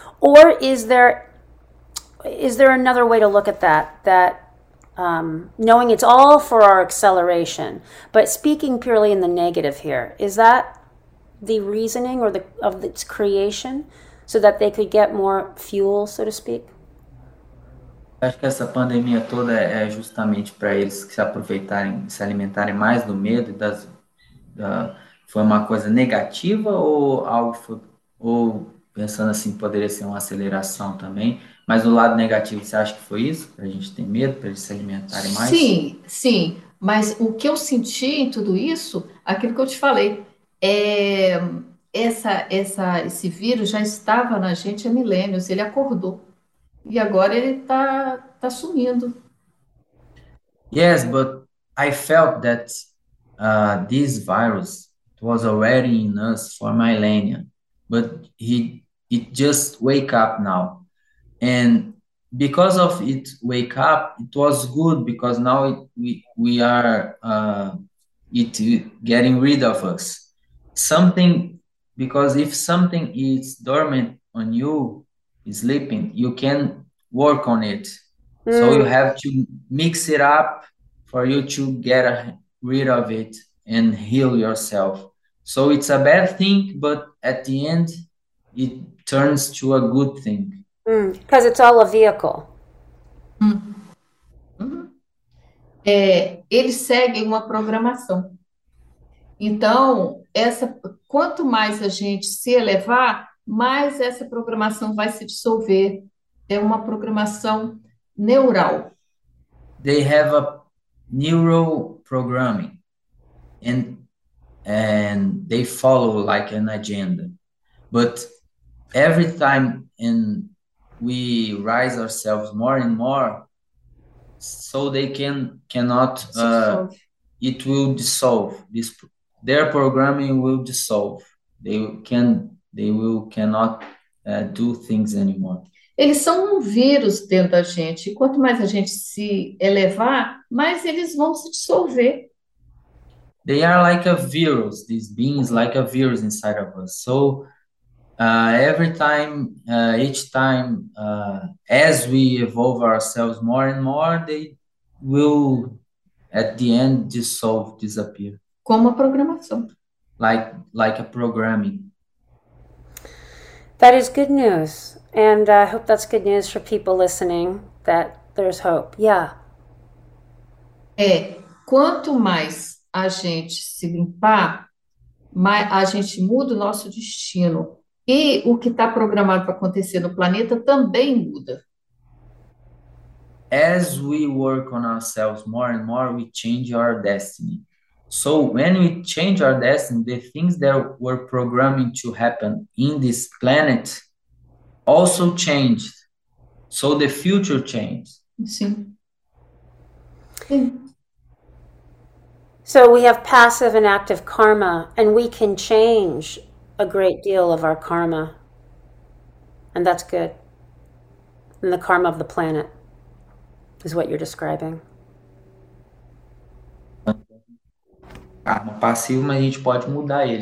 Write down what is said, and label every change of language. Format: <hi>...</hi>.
<en>Or is there another way to look at that, knowing it's all for our acceleration, but speaking purely in the negative here, is that the reasoning or the of its creation so that they could get more fuel, so to speak?</en> <pt>Acho que essa pandemia toda é justamente para eles que se aproveitarem, se alimentarem mais do medo foi uma coisa negativa ou algo foi, ou pensando assim, poderia ser uma aceleração também, mas o lado negativo, você acha que foi isso? Para a gente ter medo, para eles se alimentarem mais? Sim, mas o que eu senti em tudo isso, aquilo que eu te falei, é esse vírus já estava na gente há milênios, ele acordou e agora ele tá sumindo.</pt> <en>Yes, but I felt that this virus was already in us for millennia, but it just wake up now. And because of it wake up, it was good because now we are it getting rid of us. Something, because if something is dormant on you, sleeping, you can work on it. So you have to mix it up for you to get rid of it and heal yourself. So it's a bad thing, but at the end, it turns to a good thing. Because it's all a vehicle.</en> <pt>É, eles seguem uma programação. Então, quanto mais a gente se elevar, mais essa programação vai se dissolver. É uma programação neural.</pt> <en>They have a neural programming and they follow like an agenda. But every time and we rise ourselves more and more, so they cannot Dissolve. it will dissolve this their programming will dissolve. They cannot do things anymore.</en> <pt>Eles são um vírus dentro da gente. Quanto mais a gente se elevar, mais eles vão se dissolver.</pt> <en>They are like a virus, these beings, like a virus inside of us. So each time, as we evolve ourselves more and more, they will, at the end, dissolve, disappear.</en> <pt>Como a programação.</pt> <en>Like a programming. That is good news. And I hope that's good news for people listening, that there's hope. Yeah.</en> <pt>É, quanto mais a gente se limpar, mais a gente muda o nosso destino. E o que está programado para acontecer no planeta também muda.</pt> <en>As we work on ourselves more and more, we change our destiny. So when we change our destiny, the things that were programming to happen in this planet also change. So the future changes.</en> <pt>Sim.</pt> <en>So we have passive and active karma, and we can change a great deal of our karma. And that's good. And the karma of the planet is what you're describing.</en> <pt>Karma passivo, mas a gente pode mudar ele.</pt>